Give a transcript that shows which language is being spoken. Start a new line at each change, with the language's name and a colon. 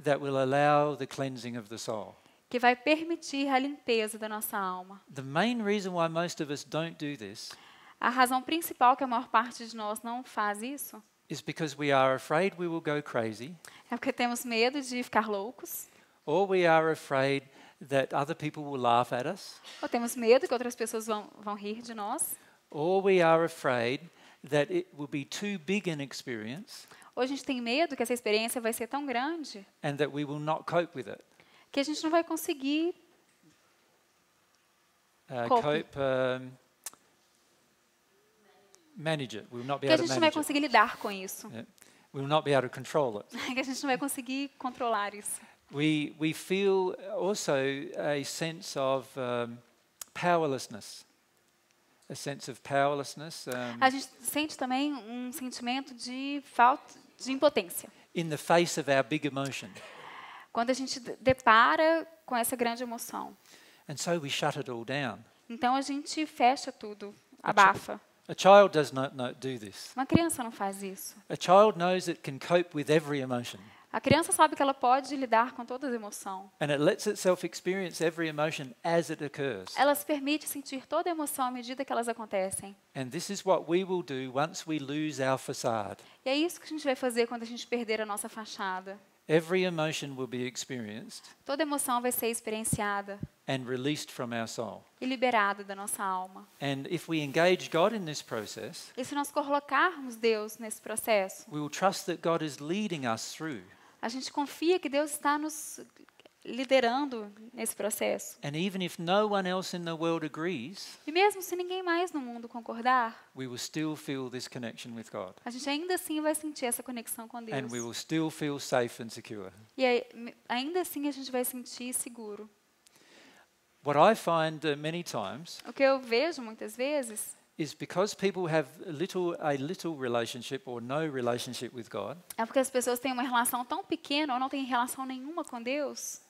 English: that will allow the cleansing of the soul,
Portuguese: que vai permitir a limpeza da nossa alma.
English: The main reason why most of us don't do this,
Portuguese: a razão principal que a maior parte de nós não faz isso,
English: is because we are afraid we will go crazy.
Portuguese: É porque temos medo de ficar loucos.
English: Or we are afraid that other people will laugh at us.
Portuguese: Ou temos medo que outras pessoas vão rir de nós.
English: Or we are afraid that it will be too big an experience.
Portuguese: Ou a gente tem medo que essa experiência vai ser tão grande.
English: And that we will not cope with it.
Portuguese: Que a gente não vai conseguir
English: cope. Manage it. We will not be
Portuguese: que a gente não vai conseguir lidar com isso.
English: We will not be able to control it.
Portuguese: Que a gente não vai conseguir controlar isso.
English: We feel also a sense of powerlessness. A sense of powerlessness.
Portuguese: A gente sente também um sentimento de falta de impotência.
English: In the face of our big emotion.
Portuguese: Quando a gente depara com essa grande emoção.
English: And so we shut it all down.
Portuguese: Então a gente fecha tudo, abafa.
English: A child does not do this.
Portuguese: Uma criança não faz isso.
English: A child knows it can cope with every emotion.
Portuguese: A criança sabe que ela pode lidar com todas as emoções.
English: And it lets itself experience every emotion as it occurs.
Portuguese: Ela se permite sentir toda a emoção à medida que elas acontecem.
English: And this is what we will do once we lose our facade.
Portuguese: E é isso que a gente vai fazer quando a gente perder a nossa fachada.
English: Every emotion will be experienced.
Portuguese: Toda emoção vai ser experienciada.
English: And released from our soul.
Portuguese: E liberada da nossa alma.
English: And if we engage God in this process,
Portuguese: e se nós colocarmos Deus nesse processo,
English: we will trust that God is leading us through.
Portuguese: A gente confia que Deus está nos liderando nesse processo.
English: And even if no one else in the world agrees,
Portuguese: e mesmo se ninguém mais no mundo concordar,
English: we will still feel this connection with God.
Portuguese: A gente ainda assim vai sentir essa conexão com Deus.
English: And we will still feel safe and secure.
Portuguese: E ainda assim a gente vai sentir seguro.
English: What I find many times,
Portuguese: o que eu vejo muitas vezes,
English: is because people have a little relationship or no relationship with God.
Portuguese: É porque as pessoas têm uma relação tão pequena ou não têm relação nenhuma com Deus.